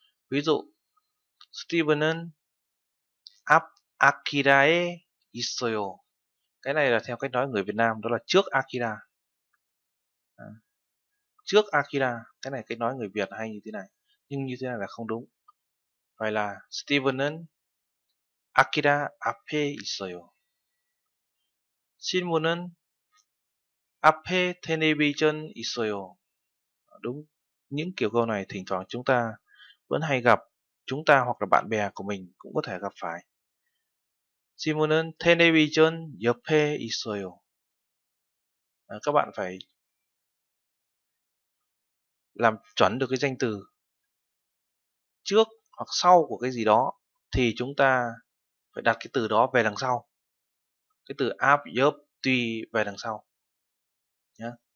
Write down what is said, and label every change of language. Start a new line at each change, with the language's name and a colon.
Vietnamese: Ví dụ,
Korean: Steven은 앞 Akira에 있어요.
Vietnamese: Cái này là theo cách nói người Việt Nam, đó là trước Akira. Trước Akira, cái này cái nói người Việt hay như thế này, nhưng như thế này là không đúng. Phải là
Korean: Steven은 Akira 앞에 있어요. 신문은 앞에 텔레비전 있어요.
Vietnamese: Đúng, những kiểu câu này thỉnh thoảng chúng ta vẫn hay gặp, chúng ta hoặc là bạn bè của mình cũng có thể gặp phải.
Korean: 신문은 텔레비전 옆에 있어요.
Vietnamese: Các bạn phải làm chuẩn được cái danh từ trước hoặc sau của cái gì đó thì chúng ta phải đặt cái từ đó về đằng sau. Cái từ áp, yếp, tuy về đằng sau. Nhá.